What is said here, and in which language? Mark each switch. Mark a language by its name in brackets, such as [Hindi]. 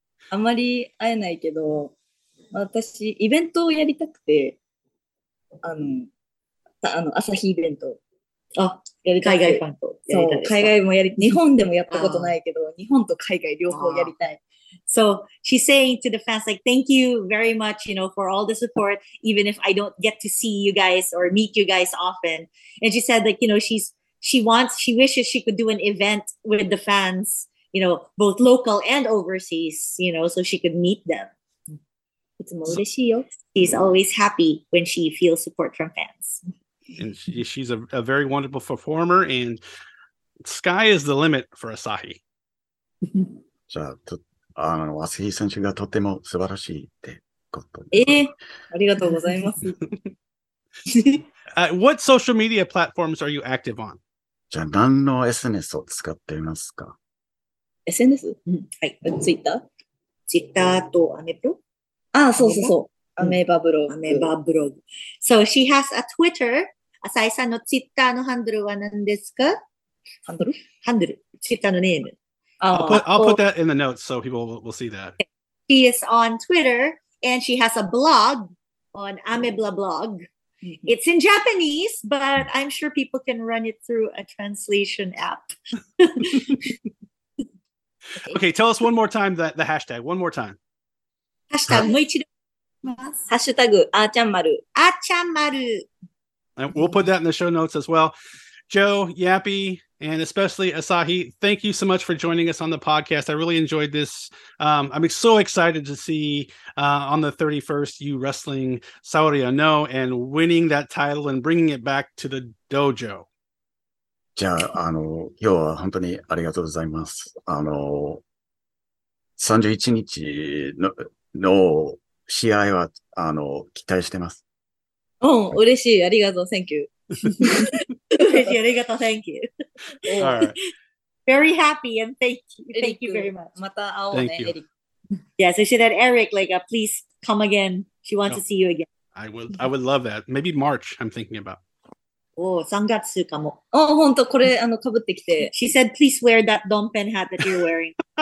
[Japanese] あまり会えないけど、私、イベントをやりたくて、朝日イベント。あ、やりたい。海外ファンとやりたい。そう、海外もやり、日本でもやったことないけど、日本と海外両方やりたい。 [English] So she's saying to the fans, like, thank you very much, you know, for all the support, even if I don't get to see you guys or meet you guys often. And she said, like, you know, she wishes she could do an event with the fans, you know, both local and overseas, you know, so she could meet them. She's always happy when she feels support from fans. And she's a very wonderful performer, and sky is the limit for Asahi. [Japanese] アスヒ選手がとても素晴らしいってこと。ありがとうございます。 [English] what social media platforms are you active on? [Japanese] じゃあ何の SNS を使っていますか ?SNS?、うん、はい。Twitter とアメブロ。ああ、そうそうそう。アメバブログ。アメバブログ。 [English] So she has a Twitter. [Japanese] アサイさんの Twitter のハンドルは何ですかハンドルハンドル。Twitter のネーム。 [English] I'll put that in the notes so people will see that. She is on Twitter and she has a blog on Ameblah blog. It's in Japanese, but I'm sure people can run it through a translation app. okay, tell us one more time the hashtag. One more time. [Japanese] Hashtag, もう一度。 Hashtag, あーちゃんまる。あーちゃんまる。 [English] And we'll put that in the show notes as well. Joe, Yappy, and especially Asahi, thank you so much for joining us on the podcast. I really enjoyed this. I'm so excited to see on the 31st you wrestling Saori Ano and winning that title and bringing it back to the dojo. [Japanese] じゃあ、今日は本当にありがとうございます。 31日の試合は期待してます。うん、嬉しい。ありがとう。 [English] Thank you. thank you. Right. Very happy and thank you. Thank you very much. [Japanese] また会おうね、Eric. [English] Yeah, so she said, Eric, like, please come again. She wants to see you again. I would love that. Maybe March, I'm thinking about. [Japanese] Oh, 3月かも。あ、本当、これ、かぶってきて。 [English] She said, please wear that Donpen hat that you're wearing.